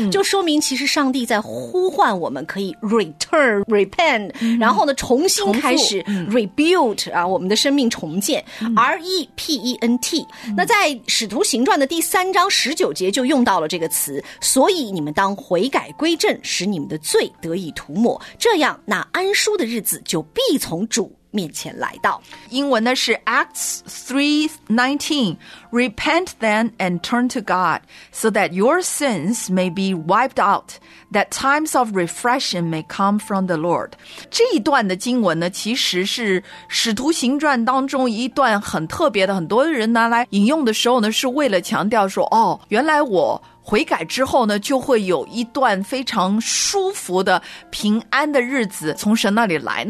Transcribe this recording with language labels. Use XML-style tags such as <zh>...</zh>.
<zh>就说明其实上帝在呼唤我们可以</zh> <en>return repent，</en> <zh>然后呢重新开始 rebuild 啊，我们的生命重建。 repent 那在使徒行传的第三章十九节就用到了这个词，所以你们当悔改归正，使你们的罪得以涂抹，这样那安舒的日子就必从主面前来到。英文呢是</zh> <en>Acts 3:19， Repent then and turn to God, so that your sins may be wiped out, that times of refreshing may come from the Lord.</en> <zh>这一段的经文呢，其实是使徒行传当中一段很特别的，很多人拿来引用的时候呢，是为了强调说，哦，原来我悔改之后呢，就会有一段非常舒服的平安的日子从神那里来。</zh>